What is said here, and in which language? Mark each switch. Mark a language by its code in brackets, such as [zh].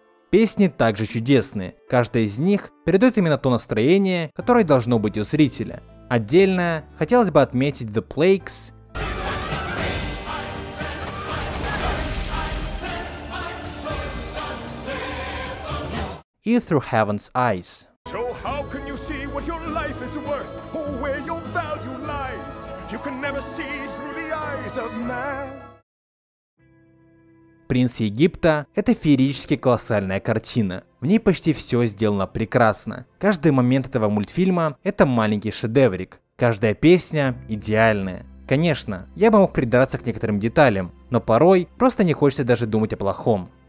[ru] Песни также чудесны, каждая из них передает именно то настроение, которое должно быть у зрителя. Отдельно хотелось бы отметить «The Plagues», и Through Heaven's Eyes. [en] So how can you see what your life is worth, or where your value lies? You can never see through the eyes of man. [ru] Принц Египта — это феерически колоссальная картина. В ней почти все сделано прекрасно. Каждый момент этого мультфильма — это маленький шедеврик. Каждая песня идеальная. Конечно, я бы мог придраться к некоторым деталям, но порой просто не хочется даже думать о плохом.